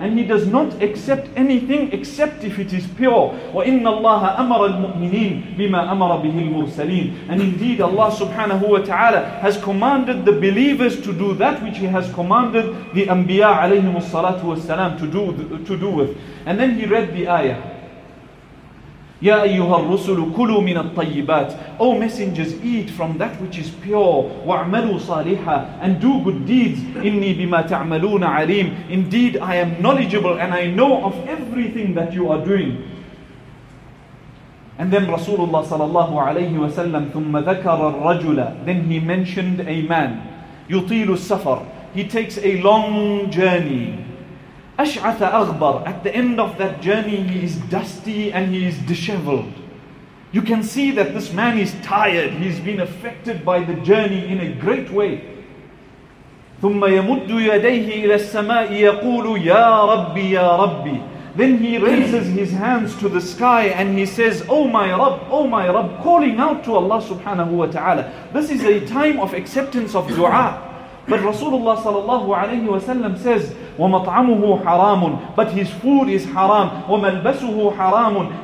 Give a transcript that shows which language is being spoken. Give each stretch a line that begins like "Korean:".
English: And He does not accept anything except if it is pure.
Arabic: وَإِنَّ اللَّهَ أَمَرَ الْمُؤْمِنِينَ بِمَا أَمَرَ بِهِ الْمُرْسَلِينَ.
English: And indeed, Allah subhanahu wa ta'ala has commanded the believers to do that which He has commanded the Anbiya alayhimu salatu wassalam to do with. And then he read the ayah.
Arabic: يا أيها الرسل كلوا من الطيبات.
English: O messengers, eat from that which is pure.
Arabic: وعملوا صالحا,
English: and do good deeds.
Arabic: إني بما تعملون عليم.
English: Indeed, I am knowledgeable and I know of everything that you are doing. And then
Arabic: Rasulullah صلى الله عليه وسلم ثم ذكر الرجل.
English: Then he mentioned a man.
Arabic: يطيل السفر.
English: He takes a long journey.
Arabic: أشعث أغبر.
English: At the end of that journey, he is dusty and he is disheveled. You can see that this man is tired. He's been affected by the journey in a great way.
Arabic: ثم يمد يديه إلى السماء يقول يا ربي يا ربي.
English: Then he raises his hands to the sky and he says, "Oh my Rabb, oh my Rabb," calling out to Allah subhanahu wa ta'ala. This is a time of acceptance of dua. But Rasulullah sallallahu alayhi wa sallam says,
Arabic: وَمَطْعَمُهُ حَرَامٌ.
English: But his food is haram.
Arabic: وَمَلْبَسُهُ حَرَامٌ.